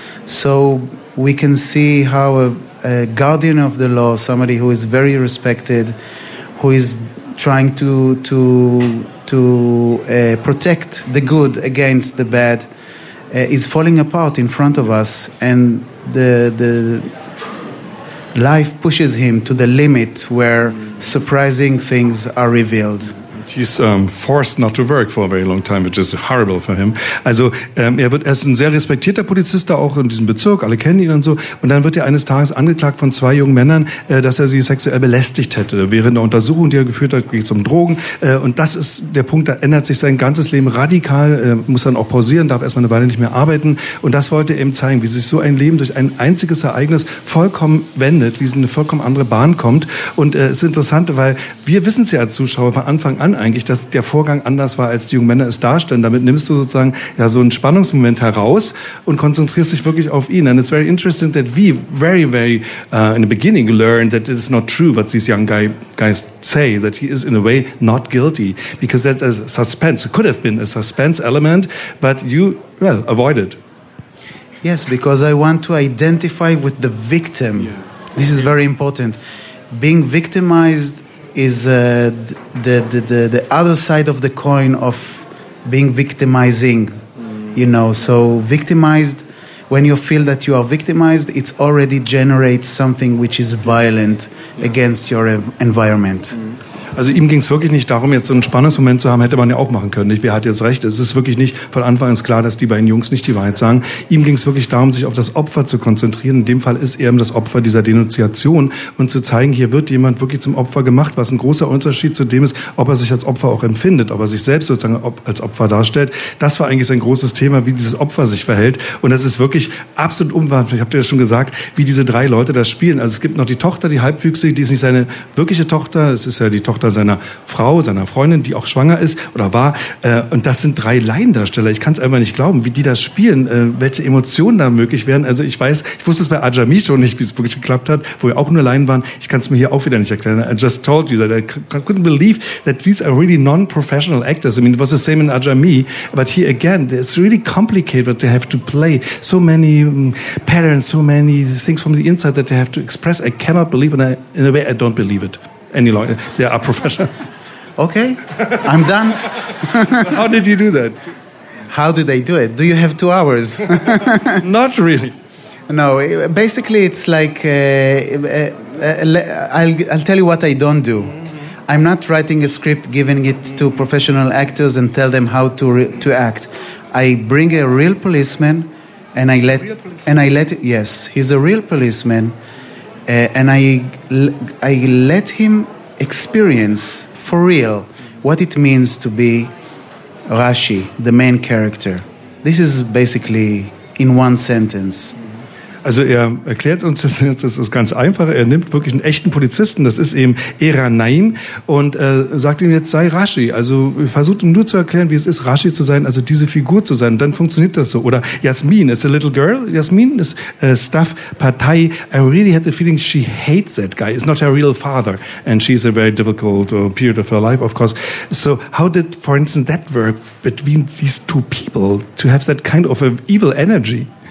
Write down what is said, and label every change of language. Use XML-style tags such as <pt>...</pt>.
<en>So we can see how a guardian of the law, somebody who is very respected, who is trying to protect the good against the bad, is falling apart in front of us, and the life pushes him to the limit where surprising things are revealed. he's forced not to work for a very long time, which is horrible for him.</en> <de>Also er wird erst ein sehr respektierter Polizist, auch in diesem Bezirk, alle kennen ihn und so. Und dann wird er eines Tages angeklagt von zwei jungen Männern, dass er sie sexuell belästigt hätte. Während der Untersuchung, die er geführt hat, ging es um Drogen. Und das ist der Punkt, da ändert sich sein ganzes Leben radikal, muss dann auch pausieren, darf erstmal eine Weile nicht mehr arbeiten. Und das wollte er eben zeigen, wie sich so ein Leben durch ein einziges Ereignis vollkommen wendet, wie es in eine vollkommen andere Bahn kommt. Und es ist interessant, weil wir wissen es ja als Zuschauer von Anfang an eigentlich, dass der Vorgang anders war, als die jungen Männer es darstellen. Damit nimmst du sozusagen ja so einen Spannungsmoment heraus und konzentrierst dich wirklich auf ihn.</de> <en>And it's very interesting that we very, very in the beginning learned that it is not true what these young guys say, that he is in a way not guilty, because that's a suspense. It could have been a suspense element, but you, well, avoid it. Yes, because I want to identify with the victim. Yeah. This is very important. Being victimized is the other side of the coin of being victimizing, you know. So victimized, when you feel that you are victimized, it already generates something which is violent against your environment.</en> <de>Also ihm ging es wirklich nicht darum, jetzt so einen Spannungsmoment zu haben, hätte man ja auch machen können, nicht? Wer hat jetzt recht? Es ist wirklich nicht von Anfang an klar, dass die beiden Jungs nicht die Wahrheit sagen. Ihm ging es wirklich darum, sich auf das Opfer zu konzentrieren. In dem Fall ist er eben das Opfer dieser Denunziation und zu zeigen, hier wird jemand wirklich zum Opfer gemacht, was ein großer Unterschied zu dem ist, ob er sich als Opfer auch empfindet, ob er sich selbst sozusagen als Opfer darstellt. Das war eigentlich sein großes Thema, wie dieses Opfer sich verhält. Und das ist wirklich absolut unwahrscheinlich. Ich habe dir das schon gesagt, wie diese drei Leute das spielen. Also es gibt noch die Tochter, die halbwüchsig, die ist nicht seine wirkliche Tochter, es ist ja die Tochter seiner Frau, seiner Freundin, die auch schwanger ist oder war. Und das sind drei Laiendarsteller. Ich kann es einfach nicht glauben, wie die das spielen, welche Emotionen da möglich wären. Also ich wusste es bei Ajami schon nicht, wie es wirklich geklappt hat, wo wir auch nur Laien waren. Ich kann es mir hier auch wieder nicht erklären.</de> <en>I just told you that I couldn't believe that these are really non-professional actors. I mean, it was the same in Ajami, but here again, it's really complicated what they have to play. So many patterns, so many things from the inside that they have to express. I cannot believe, and in a way, I don't believe it. Any longer. They are professional. Okay, I'm done. How did you do that? How did they do it? Do you have 2 hours? Not really. No, basically it's like, I'll tell you what I don't do. I'm not writing a script, giving it to professional actors and tell them how to act. I bring a real policeman and he's a real policeman. And I let him experience for real what it means to be Rashi, the main character. This is basically in one sentence.</en> <de>Also er erklärt uns das jetzt, das ist ganz einfach, er nimmt wirklich einen echten Polizisten, das ist eben Era Naim, und sagt ihm jetzt, sei Rashi. Also er versucht ihm nur zu erklären, wie es ist, Rashi zu sein, also diese Figur zu sein, und dann funktioniert das so. Oder</de> <en>Jasmin, it's a little girl, Jasmin</en> <de>ist Staff Partei,</de> <en>I really had the feeling she hates that guy, it's not her real father, and she's a very difficult period of her life, of course. So how did, for instance, that work between these two people, to have that kind of evil energy?</en>